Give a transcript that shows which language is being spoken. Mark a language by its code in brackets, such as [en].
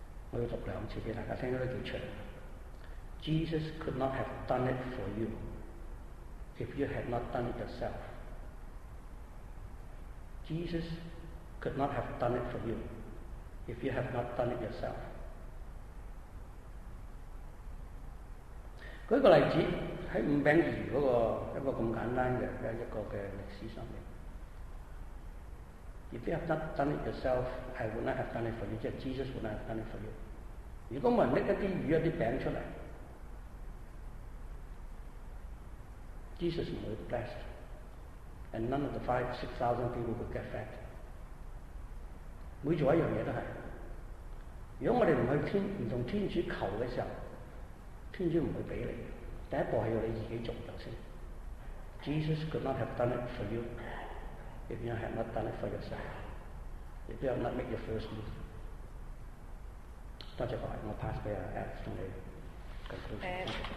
[yue] 我要讀兩次俾大家聽，都幾長。 [en] Jesus could not have done it for you if you had not done it yourself。 Jesus could not have done it for you if you have not done it yourself. [yue] 舉個例子，在五餅二那個一個咁簡單的一個的歷史上面。 [en] If you have not done it yourself, I would not have done it for you. Jesus would not have done it for you. [yue] 如果沒有拿一些魚、一些餅出來， [en] Jesus would be blessed. And none of the 5,000-6,000 people would get fed. [yue] 每做一樣東西都是。如果我們不跟天主求的時候，天主不會給你。第一步是要你自己做就行。 [en] Jesus could not have done it for you. If you have not done it for yourself, if you have not made your first move, [yue] 多謝各位，我 pass 俾阿 Ed 同你 conclusion。